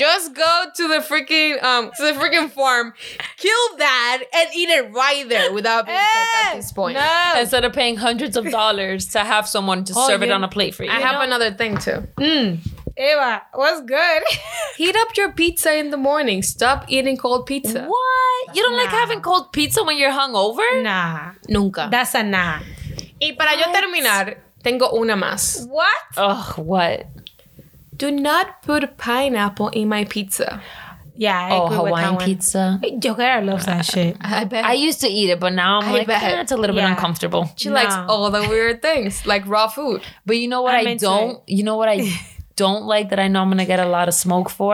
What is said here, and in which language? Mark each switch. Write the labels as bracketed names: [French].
[English] Just go to the freaking farm, kill that, and eat it right there without being cooked at this point. No. Instead of paying hundreds of dollars to have someone just serve it on a plate for you. I have another thing too. Mm. Eva, what's good? Heat up your pizza in the morning. Stop eating cold pizza. What? You don't like having cold pizza when you're hungover? Nah. [Spanish] Nunca. [English] That's a nah. [Spanish] Y para what? Yo terminar, tengo una más. [English] What? Ugh, what? Do not put pineapple in my pizza. Yeah, I agree Hawaiian with that one. Pizza. Yo girl loves that shit. I bet. I used to eat it, but now I'm like, it's a little bit uncomfortable. She likes all the weird things, like raw food. But you know what you know what I don't like that I know I'm going to get a lot of smoke for?